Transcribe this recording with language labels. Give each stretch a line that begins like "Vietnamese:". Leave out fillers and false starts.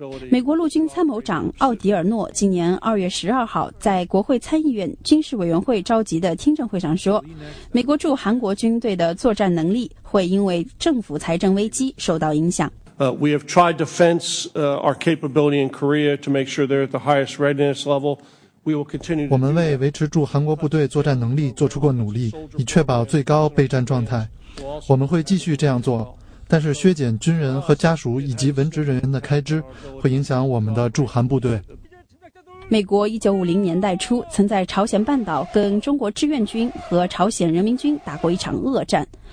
Chinese: 美国陆军参谋长奥迪尔诺今年2月12号在国会参议院军事委员会召集的听证会上说，美国驻韩国军队的作战能力会因为政府财政危机受到影响。
English: We have tried to fence our capability in Korea to make sure they're at the highest readiness level. We will continue.
Chinese: 我们为维持驻韩国部队作战能力做出过努力，以确保最高备战状态。我们会继续这样做。但是削减军人和家属以及文职人员的开支会影响我们的驻韩部队。美国1950年代初曾在朝鲜半岛跟中国志愿军和朝鲜人民军打过一场恶战。